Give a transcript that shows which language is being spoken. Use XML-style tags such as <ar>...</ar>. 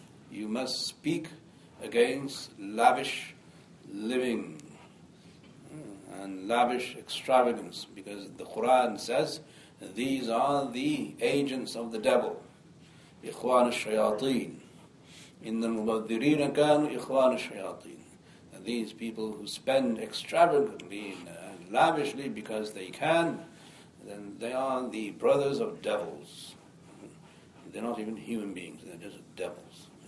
<en>You must speak against lavish living and lavish extravagance, because the Quran says these are the agents of the devil.</en> <ar>إخوان الشياطين إن المبذرين كانوا إخوان الشياطين.</ar> <en>These people who spend extravagantly and lavishly because they can, then they are the brothers of devils. They're not even human beings, they're just devils.</en>